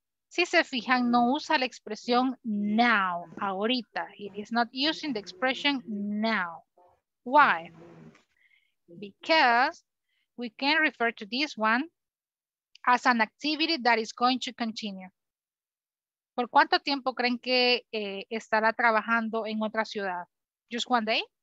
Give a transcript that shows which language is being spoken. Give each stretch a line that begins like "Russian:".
Spanish: Si se fijan, no usa la expresión now, ahorita.
English: It is not using the expression now. Why? Because we can refer to this one as an activity that is going to continue.
Spanish: ¿Por cuánto tiempo creen que estará trabajando en otra ciudad?
English: Just one day?